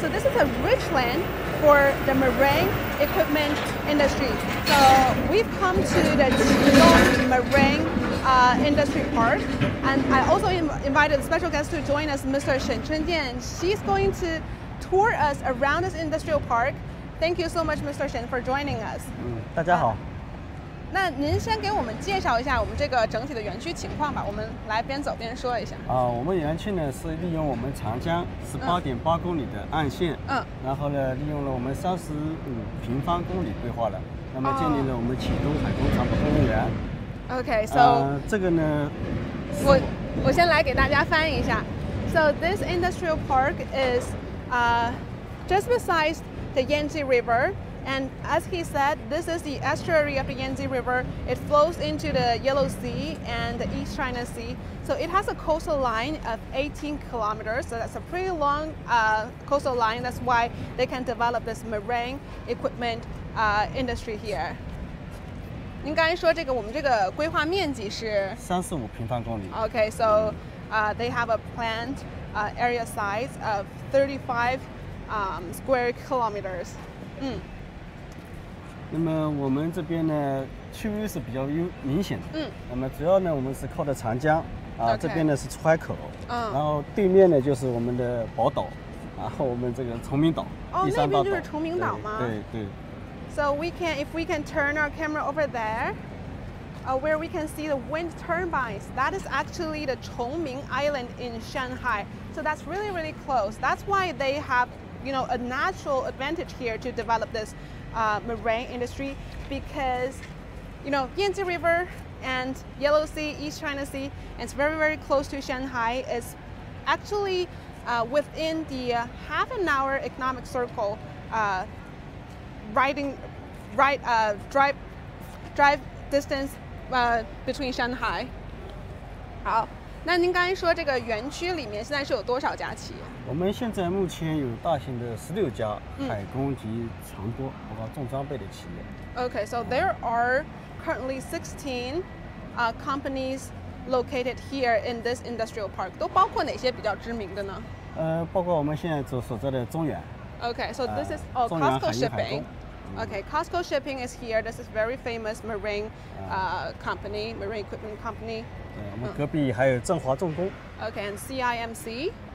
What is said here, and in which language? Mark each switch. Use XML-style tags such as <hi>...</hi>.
<en>So this is a rich land for the marine equipment industry. So we've come to the Qidong Marine Industry Park, and I also invited a special guest to join us, Mr. Shen Chunjian. She's going to tour us around this industrial park. Thank you so much, Mr. Shen, for joining us.</en> <zh>大家好。那您先给我们介绍一下我们这个整体的园区情况吧，我们来边走边说一下。我们园区呢是利用我们长江18.8公里的岸线，然后呢利用了我们35平方公里规划了，那么建立了我们启东海工船舶公园。</zh> <en>OK, so</en> <zh>这个呢，我先来给大家翻译一下。</zh> <en>So this industrial park is just beside the Yangtze River. And as he said, this is the estuary of the Yangtze River. It flows into the Yellow Sea and the East China Sea. So it has a coastal line of 18 kilometers. So that's a pretty long coastal line. That's why they can develop this marine equipment industry here.</en> <zh>您刚才说这个我们这个规划面积是 35平方公里。</zh> <en>Okay, so they have a planned area size of 35 square kilometers.</en> <zh>那么我们这边呢区域是比较明显的，那么主要呢我们是靠着长江这边呢是出海口，然后对面呢就是我们的宝岛，然后我们这个崇明岛。那边就是崇明岛吗？对。</zh> <en>So we can, if we can turn our camera over there, where we can see the wind turbines, that is actually the 崇明 island in Shanghai. So that's really, really close. That's why they have, you know, a natural advantage here to develop thismarine industry, because, you know, Yangtze River and Yellow Sea, East China Sea, it's very, very close to Shanghai. It's actually within the half an hour economic circle, drive distance between Shanghai.</en> <zh>好，那您刚才说这个园区里面现在是有多少家企业？我们现在目前有大型的16家海工及船舶包括重装备的企业。</zh> <en>Okay, so there are currently 16 companies located here in this industrial park.</en> <zh>都包括哪些比较知名的呢？包括我们现在所在的中远。</zh> <en>Okay, so this is Costco Shipping. Okay, Costco Shipping is here. This is very famous marine equipment company.</en> <zh>我们隔壁还有振华重工。</zh> <en>Okay, and CIMC.</en>